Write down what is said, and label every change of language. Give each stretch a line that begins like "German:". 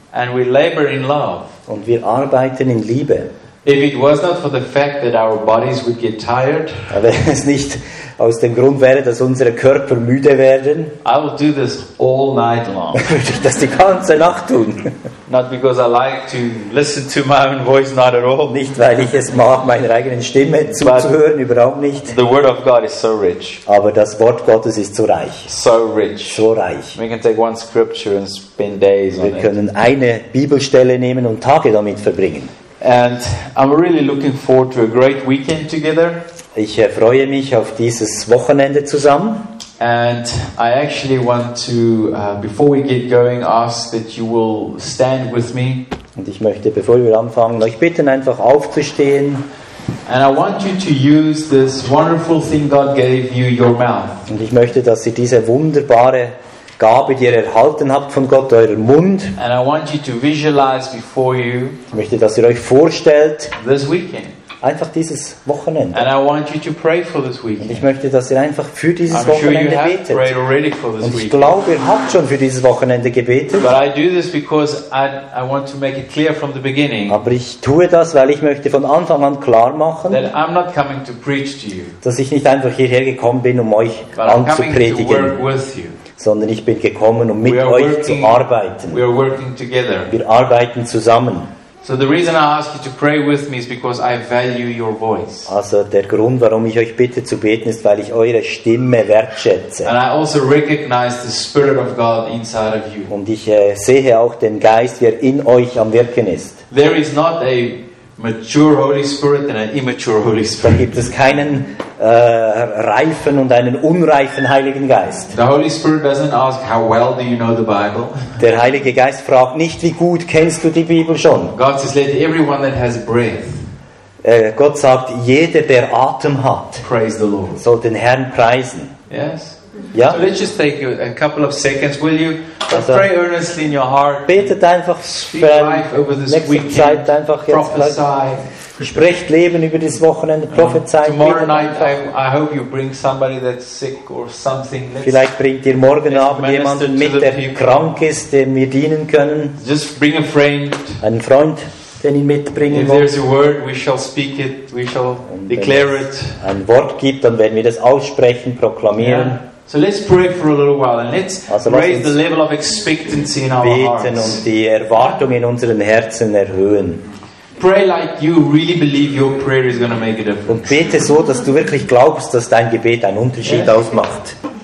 English: And we labor in love.
German: Und wir arbeiten in Liebe.
English: If it was not for the fact that our bodies would get tired.
German: Wenn es nicht aus dem Grund wäre, dass unsere Körper müde werden.
English: I will do this all night long.
German: Würde ich das die ganze Nacht tun.
English: Not because I like to listen to my own voice, not at all.
German: Nicht weil ich es mag, meiner eigenen Stimme zuzuhören, überhaupt nicht.
English: The word of God is so rich.
German: Aber das Wort Gottes ist so reich.
English: So rich.
German: So reich.
English: We can take one scripture and spend days on it.
German: Wir können eine Bibelstelle nehmen und Tage damit verbringen.
English: And I'm really looking forward to a great weekend together.
German: Ich freue mich auf dieses Wochenende zusammen.
English: And I actually want to, before we get going, ask that you will stand with me.
German: Und ich möchte, bevor wir anfangen, euch bitten, einfach aufzustehen.
English: And I want you to use this wonderful thing God gave you, your mouth.
German: Und ich möchte, dass ihr diese wunderbare Gabe, die ihr erhalten habt von Gott, euren Mund.
English: And I want you to visualize before you.
German: Ich möchte, dass ihr euch vorstellt.
English: This weekend.
German: Einfach dieses Wochenende.
English: And I want you to pray for this weekend.
German: Und ich möchte, dass ihr einfach für dieses Wochenende betet.
English: Prayed already for this
German: Und ich glaube, ihr habt schon für dieses Wochenende gebetet.
English: But I do this because I want to make it clear from the beginning.
German: Aber ich tue das, weil ich möchte von Anfang an klar machen,
English: that I'm not coming to preach to you.
German: Dass ich nicht einfach hierher gekommen bin, um euch
English: But
German: anzupredigen.
English: I'm coming to work with you.
German: Sondern ich bin gekommen, um mit euch zu arbeiten.
English: We are working together.
German: Wir arbeiten zusammen.
English: So the reason I ask you to pray with me is because I value your voice.
German: Also der Grund, warum ich euch bitte zu beten, ist, weil ich eure Stimme wertschätze.
English: And I also recognize the Spirit of God inside of you.
German: Und ich sehe auch den Geist, wie er in euch am Wirken ist.
English: There is not a mature Holy Spirit and an immature Holy Spirit.
German: Da gibt es keinen reifen und einen unreifen Heiligen Geist.
English: The Holy Spirit doesn't ask how well do you know the Bible.
German: Der Heilige Geist fragt nicht, wie gut kennst du die Bibel schon.
English: God says, let everyone that has breath.
German: Gott sagt, jeder, der Atem hat,
English: praise the Lord.
German: Soll den Herrn preisen.
English: Yes.
German: Ja.
English: So let's just take a couple of seconds, will you? Also, pray earnestly in your heart.
German: Betet einfach für nächste Zeit einfach jetzt.
English: Prophesy.
German: Sprecht Leben über dieses Wochenende, prophezeit.
English: Tomorrow night, I hope you bring somebody that's sick or something.
German: Vielleicht bringt ihr morgen Abend jemanden mit, der krank ist, dem wir dienen können.
English: Just bring a friend.
German: Einen Freund, den ihr mitbringen wollt.
English: If there's a word, we shall speak it. We shall declare it.
German: Ein Wort gibt, dann werden wir das aussprechen, proklamieren.
English: Yeah. So let's pray for a little while and let's raise the level of expectancy in our hearts.
German: Beten und die Erwartung in unseren Herzen erhöhen.
English: Pray like you really believe your prayer is going to make a difference.
German: Und bete so, dass du wirklich glaubst, dass dein Gebet einen Unterschied ausmacht.